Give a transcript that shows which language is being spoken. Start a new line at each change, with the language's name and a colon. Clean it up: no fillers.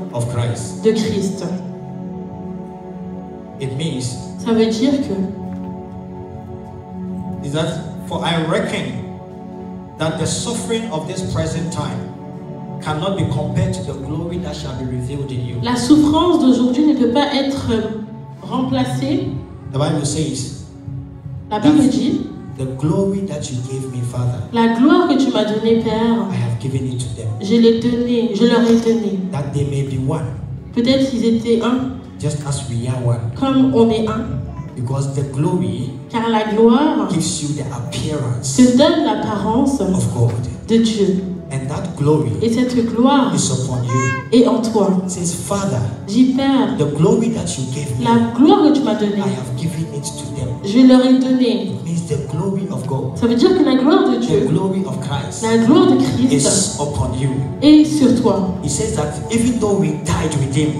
English: of Christ.
French: De Christ.
English: It means,
French: ça veut dire que
English: is that for I reckon that the suffering of this present time cannot be compared to the glory that shall be revealed in you.
French: La souffrance d'aujourd'hui ne peut pas être remplacée.
English: The Bible says,
French: la Bible dit,
English: the glory that you gave me, Father,
French: la gloire que tu m'as donnée, Père,
English: I have given it to them.
French: Je l'ai donné, je leur ai donné.
English: That they may be one.
French: Peut-être qu'ils étaient un.
English: Just as we are one.
French: Comme on est un.
English: Because the glory,
French: car la gloire,
English: gives you the appearance,
French: te donne l'apparence
English: of God,
French: de Dieu.
English: And that glory,
French: et cette gloire,
English: is upon you,
French: et en toi.
English: Says Father,
French: dis Père,
English: the glory that you gave me,
French: la gloire que tu m'as donnée,
English: I have given it to them.
French: Je leur ai donné.
English: The glory of God.
French: Ça veut dire que la gloire de Dieu.
English: The glory of Christ.
French: La gloire de Christ.
English: Is upon you.
French: Et sur toi.
English: He says that even though we died with him.